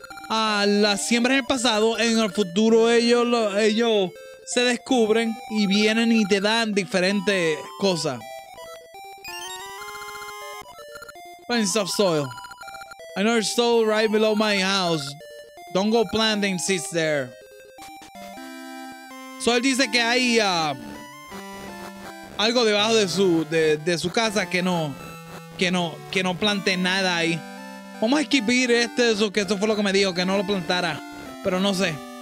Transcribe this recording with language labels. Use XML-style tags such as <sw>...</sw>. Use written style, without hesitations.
<es>Las siembras en el pasado, en el futuro ellos se descubren y vienen y te dan diferentes cosas.</es> <en>Plants of soil. Another soil right below my house. Don't go planting seeds there.</en> <es>So él dice que hay algo debajo de su casa que no plante nada ahí. Vamos a esquivir eso, que eso fue lo que me dijo, que no lo plantara. Pero no sé.</es>